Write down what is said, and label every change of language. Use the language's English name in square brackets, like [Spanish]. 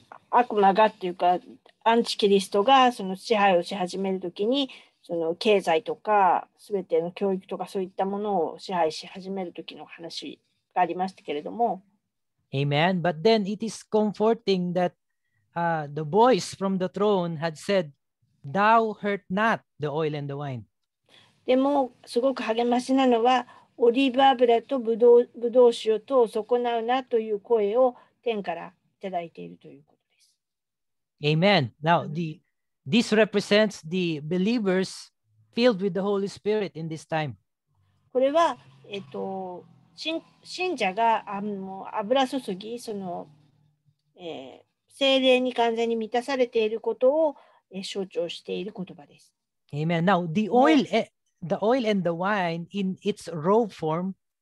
[Japanese] 悪魔がっていうか、アンチキリストがその支配をし始めるときに、その経済とか、すべての教育とか、そういったものを支配し始めるときの話がありましたけれども。 [English] Amen. But then it is comforting that、the voice from the throne had said, Thou hurt not the oil and the wine. [Japanese] でも、すごく励ましなのは、オリーブ油とブドウ酒を損なうなという声を天からいただいているということです。 [English] Amen. Now, This represents the believers filled with the Holy Spirit in this time. [Japanese] これは、信者が油注ぎ、その、聖霊に完全に満たされていることを、象徴している言葉です。 [English] Amen. Now, the oil and the wine in its raw form.